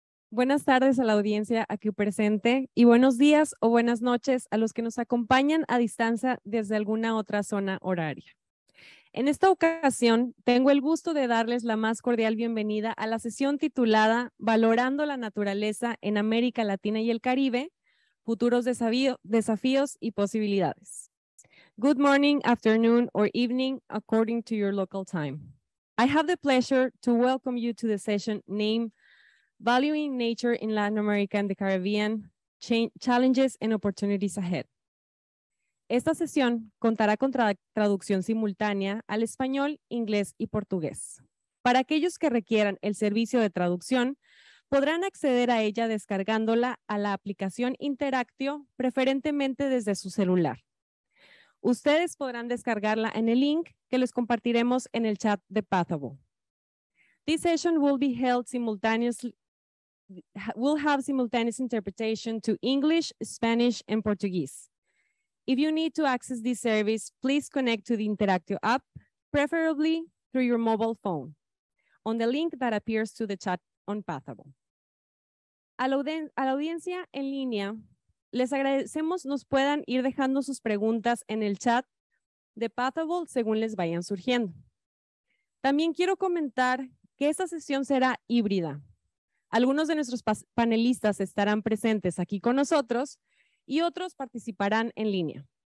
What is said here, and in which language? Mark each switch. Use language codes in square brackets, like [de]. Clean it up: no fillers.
[es] buenas tardes a la audiencia aquí presente y buenos días o buenas noches a los que nos acompañan a distancia desde alguna otra zona horaria. En esta ocasión, tengo el gusto de darles la más cordial bienvenida a la sesión titulada Valorando la naturaleza en América Latina y el Caribe, futuros desafíos y posibilidades. [en] Good morning, afternoon, or evening, according to your local time. I have the pleasure to welcome you to the session named Valuing Nature in Latin America and the Caribbean, Challenges and Opportunities Ahead. [es] Esta sesión contará con traducción simultánea al español, inglés y portugués. Para aquellos que requieran el servicio de traducción, podrán acceder a ella descargándola a la aplicación Interactio, preferentemente desde su celular. Ustedes podrán descargarla en el link que les compartiremos en el chat de Pathable. [en] This session will be held simultaneously, will have simultaneous interpretation to English, Spanish, and Portuguese. If you need to access this service, please connect to the Interactio app, preferably through your mobile phone, on the link that appears to the chat on Pathable. [es] A la audiencia en línea, les agradecemos nos puedan ir dejando sus preguntas en el chat de Pathable según les vayan surgiendo. También quiero comentar que esta sesión será híbrida. Algunos de nuestros panelistas estarán presentes aquí con nosotros y otros participarán en línea.